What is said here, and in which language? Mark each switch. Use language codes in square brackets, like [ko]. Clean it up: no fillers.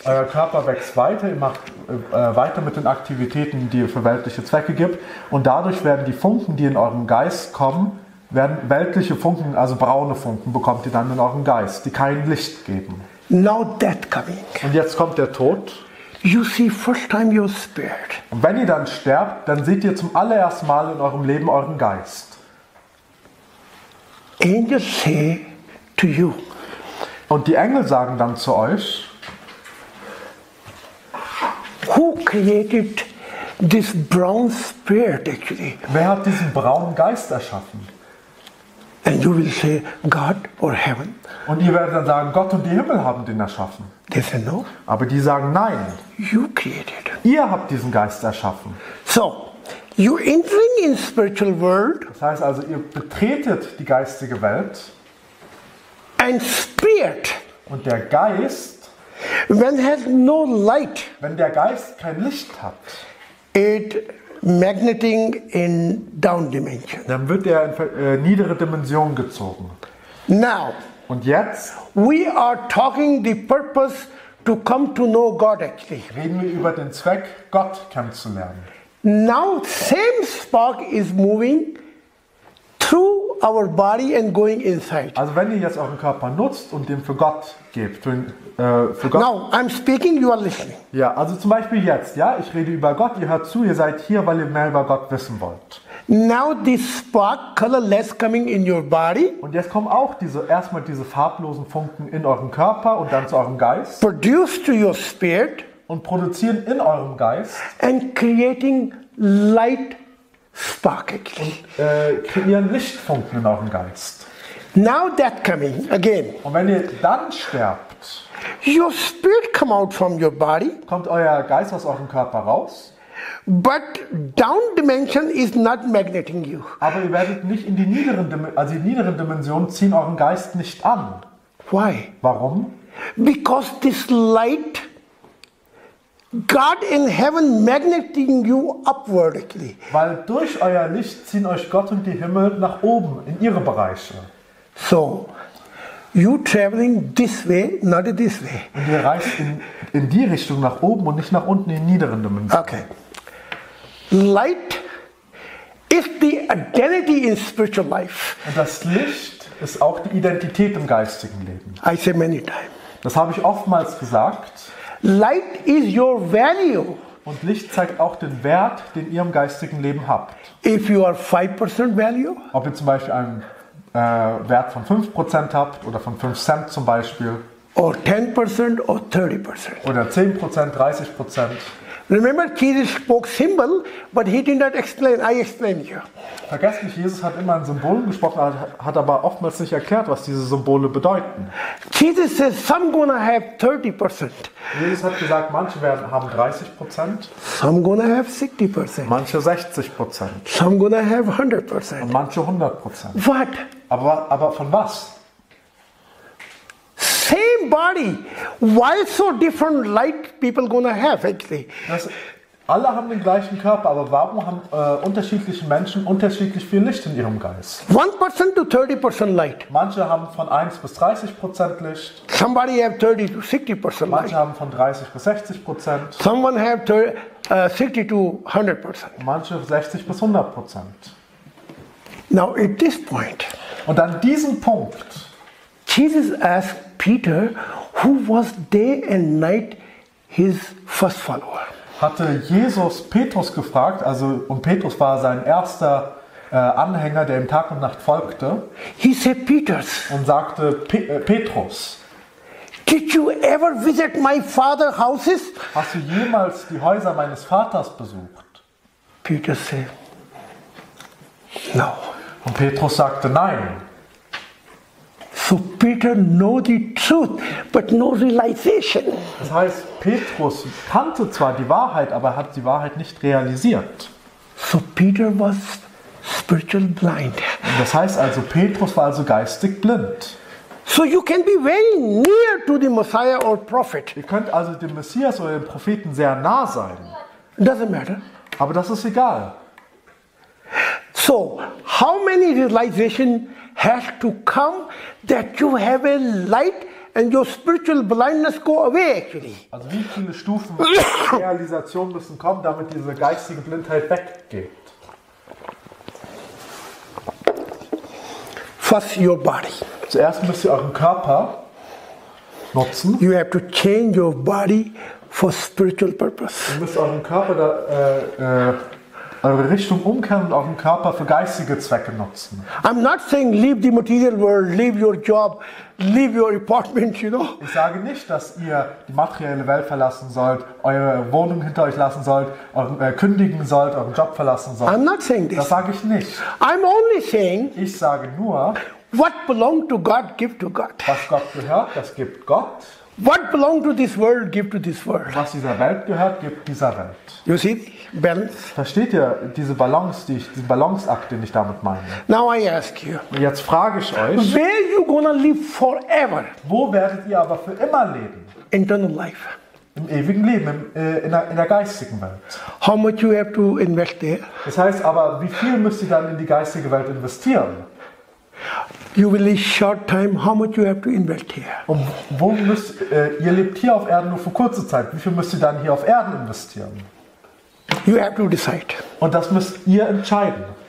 [de] Euer Körper wächst weiter, ihr macht weiter mit den Aktivitäten, die ihr für weltliche Zwecke gibt. Und dadurch werden die Funken, die in euren Geist kommen, werden weltliche Funken, also braune Funken, bekommt ihr dann in euren Geist, die kein Licht geben. [en] Now death coming. [de] Und jetzt kommt der Tod. [en] You see first time your spirit. [de] Und wenn ihr dann sterbt, dann seht ihr zum allerersten Mal in eurem Leben euren Geist. [en] Angels say to you. [de] Und die Engel sagen dann zu euch. [en] Who created this brown spirit actually? [de] Wer hat diesen braunen Geist erschaffen? [en] And you will say God or heaven. [de] Und ihr werdet dann sagen, Gott und die Himmel haben den erschaffen. [en] They say no. [de] Aber die sagen nein. [en] You created. [de] Ihr habt diesen Geist erschaffen. [en] So, you entering in spiritual world. [de] Das heißt also, ihr betretet die geistige Welt. [en] And spirit. [de] Und der Geist. [en] When has no light. [de] Wenn der Geist kein Licht hat. [en] It magneting in down dimension. [de] Dann wird er in niedere Dimensionen gezogen. [en] Now. [de] Und jetzt. [en] We are talking the purpose to come to know God actually. [de] Reden wir über den Zweck, Gott kennenzulernen. [en] Now same spark is moving through our body and going inside. [de] Also wenn ihr jetzt euren Körper nutzt und den für Gott gebt, für Gott. [en] Now I'm speaking, you are listening. [de] Ja, also zum Beispiel jetzt, ja, ich rede über Gott, ihr hört zu, ihr seid hier, weil ihr mehr über Gott wissen wollt. [en] Now this spark colorless coming in your body. [de] Und jetzt kommen auch erstmal diese farblosen Funken in euren Körper und dann zu eurem Geist. [en] Produce to your spirit. [de] Und produzieren in eurem Geist. [en] And creating light spark. [de] Kreieren Lichtfunken in eurem Geist. [en] Now death coming again. [de] Und wenn ihr dann sterbt, [en] your spirit come out from your body. [de] Kommt euer Geist aus eurem Körper raus. [en] But down dimension is not magneting you. [de] Aber ihr werdet nicht in die niederen, also die niederen Dimensionen ziehen euren Geist nicht an. [en] Why? [de] Warum? [en] Because this light, God in heaven magneting you upwardly. [de] Weil durch euer Licht ziehen euch Gott und die Himmel nach oben in ihre Bereiche. [en] So, you traveling this way, not this way. [de] Und ihr reist in die Richtung nach oben und nicht nach unten in die niederen Dimensionen. [en] Okay. Light is the identity in spiritual life. [de] Und das Licht ist auch die Identität im geistigen Leben. [en] I say many times. [de] Das habe ich oftmals gesagt. [en] Light is your value. [de] Und Licht zeigt auch den Wert, den ihr im geistigen Leben habt. [en] If you are 5% value. [de] Ob ihr zum Beispiel einen Wert von 5% habt oder von 5 Cent zum Beispiel. [en] Or 10% or 30%. [de] Oder 10%, 30%. [en] Remember, Jesus spoke symbol, but he did not explain. I explain you. [de] Vergesst nicht, Jesus hat immer in Symbolen gesprochen, hat aber oftmals nicht erklärt, was diese Symbole bedeuten. [en] Jesus says some gonna have 30%. [de] Jesus hat gesagt, manche werden haben 30%. [en] Some gonna have 60%. [de] Manche 60%. [en] Some gonna have 100%. [de] Und manche 100%. [en] What? [de] Aber von was? [en] Same body, why so different light people gonna have actually? [de] Alle haben den gleichen Körper, aber warum haben unterschiedliche Menschen unterschiedlich viel Licht in ihrem Geist? [en] 1% to 30% light. [de] Manche haben von 1 bis 30% Licht. [en] Somebody have 30 to 60% [de] light. Manche haben von 30 bis 60%. [en] Someone have 60 to 100%. [de] Manche 60 bis 100%. [en] Now at this point. [de] Und an diesem Punkt. [en] Jesus asked Peter, who was day and night his first follower. [de] Hatte Jesus Petrus gefragt, also und Petrus war sein erster Anhänger, der ihm Tag und Nacht folgte. [en] He said Peters. [de] Und sagte Petrus. [en] Did you ever visit my father's houses? [de] Hast du jemals die Häuser meines Vaters besucht? [en] Peter said no. [de] Und Petrus sagte nein. [en] So Peter know the truth, but no realization. [de] Das heißt, Petrus kannte zwar die Wahrheit, aber hat die Wahrheit nicht realisiert. [en] So Peter was spiritual blind. [de] Das heißt also, Petrus war also geistig blind. [en] So you can be very near to the Messiah or prophet. [de] Ihr könnt also dem Messias oder dem Propheten sehr nah sein. [en] Doesn't matter. [de] Aber das ist egal. [en] So, how many realization has to come that you have a light and your spiritual blindness go away actually? [de] Also wie viele Stufen der Realisation müssen kommen, damit diese geistige Blindheit weggeht? [en] First your body. [de] Zuerst müsst ihr euren Körper nutzen. [en] You have to change your body for spiritual purpose. [de] Ihr müsst euren Körper da eure Richtung umkehren und euren Körper für geistige Zwecke nutzen. [en] I'm not saying leave the material world, leave your job, leave your apartment, you know. [de] Ich sage nicht, dass ihr die materielle Welt verlassen sollt, eure Wohnung hinter euch lassen sollt, kündigen sollt, euren Job verlassen sollt. [en] I'm not saying this. [de] Das sage ich nicht. [en] I'm only saying. [de] Ich sage nur. [en] What belongs to God, give to God. [de] Was Gott gehört, das gibt Gott. [en] What belongs to this world, give to this world. [de] Was dieser Welt gehört, gibt dieser Welt. [en] You see, balance. [de] Versteht ihr diese Balance, diesen Balanceakt, den ich damit meine? [en] Now I ask you. [de] Jetzt frage ich euch. [en] Where you gonna live forever? [de] Wo werdet ihr aber für immer leben? [en] Internal life. [de] Im ewigen Leben, in der geistigen Welt. [en] How much you have to invest there? [de] Das heißt aber, wie viel müsst ihr dann in die geistige Welt investieren? [en] You will live short time. How much you have to invest here? [de] Ihr lebt hier auf Erden nur für kurze Zeit. Wie viel müsst ihr dann hier auf Erden investieren? [en] You have to decide. [de] Und das müsst ihr entscheiden.